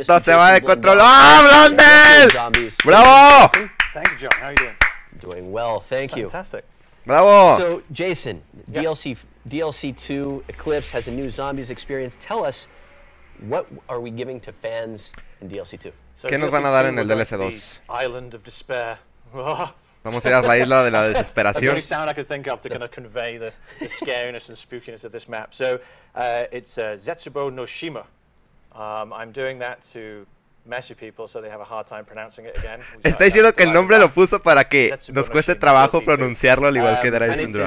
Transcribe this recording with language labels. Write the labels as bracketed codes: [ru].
[es] Esto se va a controlar, Blondel! Bravo! [en] Thank you, John. How are you doing? Doing well, thank Fantastic. You. Fantastic. Bravo. So, Jason, yes. DLC 2 Eclipse has a new zombies experience. Tell us, what are we giving to fans in DLC 2? [es] So ¿qué nos van a dar en el DLC 2? [en] Island of Despair. [es] Vamos a ir a la isla de la desesperación. [en] That's the only sound I could think of to kind of convey the scariness and spookiness of this map. So, it's Zetsubo no Shima. I'm doing that to mess with people so they have a hard time pronouncing it again. [es] Está diciendo que el nombre lo puso para que nos cueste trabajo pronunciarlo al igual que Dara y Sundraja.